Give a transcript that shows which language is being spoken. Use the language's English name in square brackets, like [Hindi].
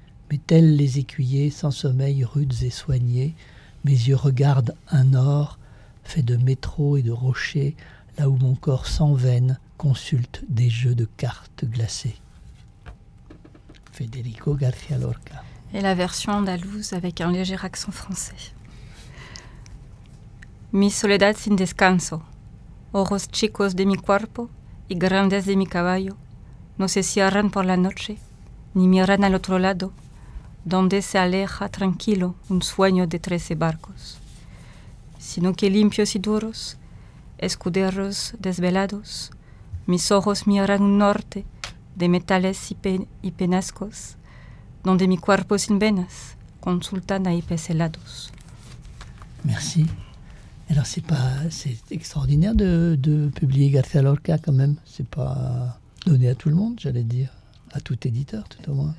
[French] Mais tels les écuyers, sans sommeil, rudes et soignés, mes yeux regardent un or fait de métros et de rochers, là où mon corps sans veine consulte des jeux de cartes glacées. Federico García Lorca. Et la version andalouse avec un léger accent français. [Spanish] Mi soledad sin descanso. Ojos chicos de mi cuerpo y grandes de mi caballo no se cierran por la noche ni miran al otro lado donde se aleja tranquilo un sueño de 13 barcos, sino que limpios y duros, escuderos desvelados, mis ojos miran un norte de metales y penascos donde mi cuerpo sin venas consultan a ipes helados. [French] Merci. Alors, c'est extraordinaire de publier García Lorca, quand même. C'est pas donné à tout le monde, j'allais dire. À tout éditeur, tout au moins.